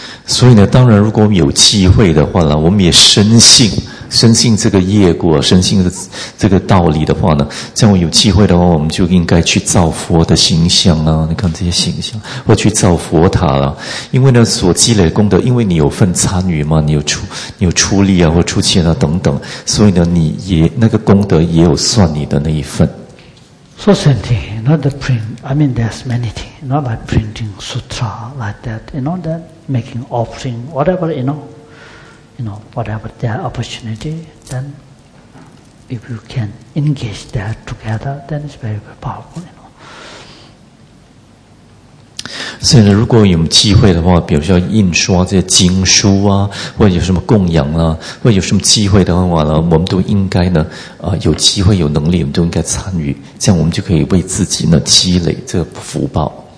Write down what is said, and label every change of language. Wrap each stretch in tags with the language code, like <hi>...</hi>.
<zh>所以呢，当然，如果我们有机会的话呢，我们也深信这个业果，深信这个道理的话呢，像我们有机会的话，我们就应该去造佛的形象啊！你看这些形象，或去造佛塔了、啊。因为呢，所积累功德，因为你有份参与嘛，你有出力啊，或出钱啊等等，所以呢，你也那个功德也有算你的那一份。</zh> <en>So same thing, not the print. I mean, there's many things, not like printing sutra like that. You know that. Making offering, whatever, you know, whatever their opportunity, then if you can engage that together, then it's very, very powerful, you know.</en> <zh>所以如果有机会的话，比如说印刷这些经书啊，或者有什么供养啊，或者有什么机会的话呢，我们都应该呢，有机会有能力，我们都应该参与，这样我们就可以为自己呢积累这个福报。</zh>